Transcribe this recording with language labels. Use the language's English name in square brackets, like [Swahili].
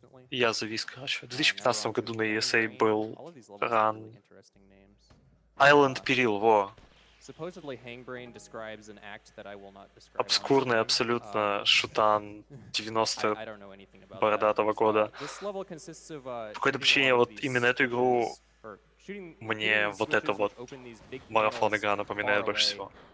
[Russian] Я завис, короче. В 2015 году на ESA был ран... [English] Island Peril, во! Supposedly Hangbrain describes an act that I will not describe. [Russian] Обскурный абсолютно шутан 90-го бородатого года. По какой-то причине вот именно эту игру мне вот это вот марафон игра напоминает больше всего.